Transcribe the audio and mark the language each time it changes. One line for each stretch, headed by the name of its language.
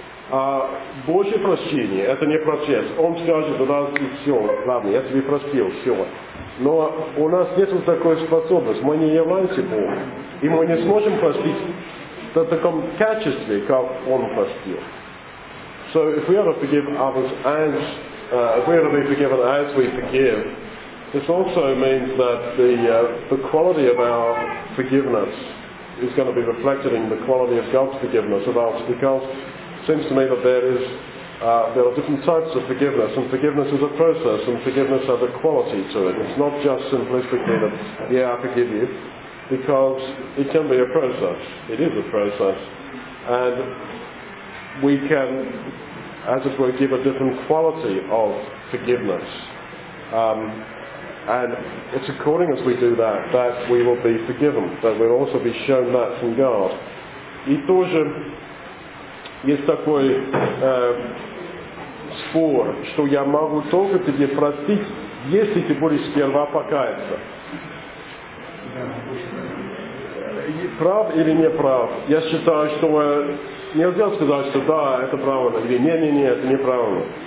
Russian: А Божье прощение – это не процесс. Он скажет, раз и все, ладно, я тебе простил, все. Но у нас нет такой способности, мы не являемся Богом. И мы не сможем простить в таком качестве, как Он простил.
English: So if we are to forgive others as if we are to be forgiven as we forgive, this also means that the quality of our forgiveness is going to be reflected in the quality of God's forgiveness of us. Because it seems to me that there are different types of forgiveness, and forgiveness is a process, and forgiveness has a quality to it. It's not just simplistically that yeah, I forgive you, because it can be a process. It is a process, and we can, as it were, give a different quality of forgiveness. And it's according as we do that, that we will be forgiven, that we'll also be shown that from God.
Russian: И тоже есть такой спор, что я могу только тебе простить, если ты будешь сперва покаяться. Прав или не прав? Я считаю, что нельзя сказать, что да, это правильно, или не-не-не, это неправильно.